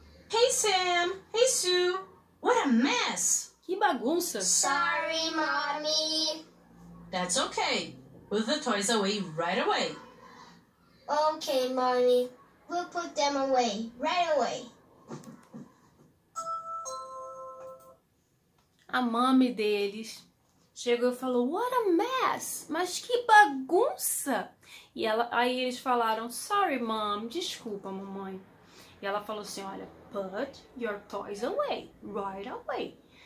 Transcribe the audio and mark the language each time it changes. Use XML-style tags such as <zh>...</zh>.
<en>Hey, Sam. Hey, Sue. What a mess.</en> <pt>Que bagunça.</pt> <en>Sorry, Mommy. That's okay. Put the toys away right away. Okay, Mommy. We'll put them away right away.</en> <pt>a mami deles chegou e falou,</pt> <en>what a mess,</en> <pt>mas que bagunça. E ela, aí eles falaram,</pt> <en>sorry mom,</en> <pt>desculpa mamãe. E ela falou assim, olha,</pt> <en>put your toys away, right away.</en>